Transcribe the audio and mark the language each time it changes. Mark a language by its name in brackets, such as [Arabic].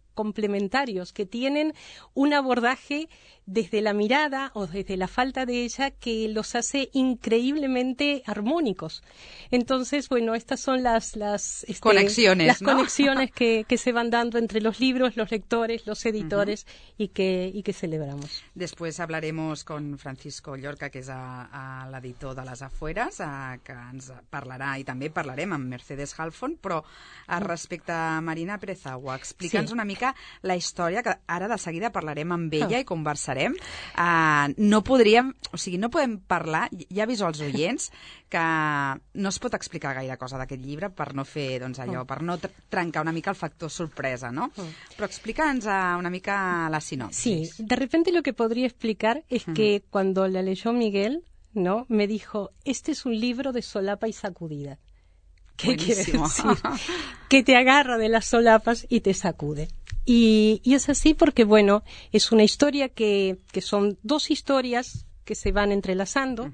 [Spanish] complementarios, que tienen un abordaje desde la mirada o desde la falta de ella que los hace increíblemente armónicos. Entonces, bueno, estas son las conexiones, las, ¿no?, conexiones que se van dando entre los libros, los lectores, los editores, uh-huh, y que celebramos. [Catalan] Después hablaremos con Francisco Llorca, que és a l'editor de Les Afueres, que ens parlarà, i també parlarem amb Mercedes Halfon, però respecte a Marina Pérez Agua, explica'ns, sí, una mica la història, que ara de seguida parlarem amb ella i conversarem. No podem parlar, ja aviso als oients, que no es pot explicar gaire cosa d'aquest llibre per no fer, doncs, allò, per no trencar una mica el factor sorpresa, no? Però explica'ns una mica la sinopsis. [Spanish] Sí, de repente lo que podría explicar es que cuando la leyó Miguel, ¿no?, me dijo, este es un libro de solapa y sacudida. ¿Qué quiere decir? Que te agarra de las solapas y te sacude. Y es así porque, bueno, es una historia que son dos historias que se van entrelazando.